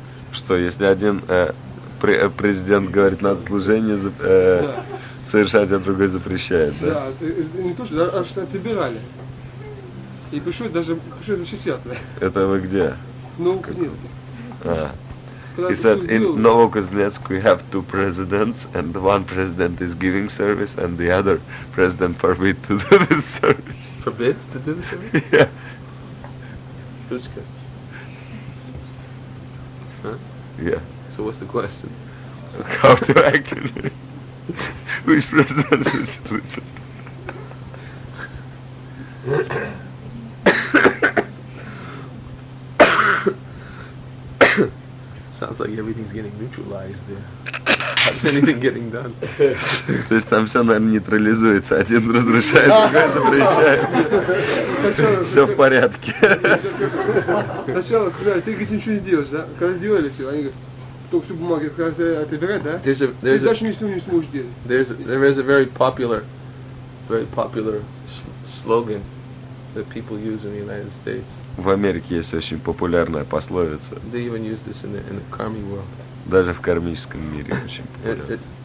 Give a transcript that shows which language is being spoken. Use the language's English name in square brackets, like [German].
[Russian] Что, если один президент говорит, надо служение совершать, а другой запрещает, да? Да, не то, что, а что отбирали. И пришлось даже защищать. Да. Это вы где? Ну, нет. [English] He said, in Novokuznetsk we have two presidents, and one president is giving service, and the other president forbids to do this service. Forbids to do the service? Yeah. Huh? Yeah. So what's the question? How to act in it? Which president is listen? Sounds like everything's getting neutralized there. How's anything getting done? [Russian] То есть там все, наверное, нейтрализуется. Один разрушает, другой запрещает. Все в порядке. Сначала сказали, ты говорит, ничего не делаешь, да? Когда сделали все, они говорят, то всю бумагу отбирать, да? Ты даже ничего не сможешь делать. [English] There is a very popular slogan that people use in the United States. [Russian] В Америке есть очень популярная пословица. [English] They even use this in the karmic world. [Russian] Даже в кармическом мире очень популярна.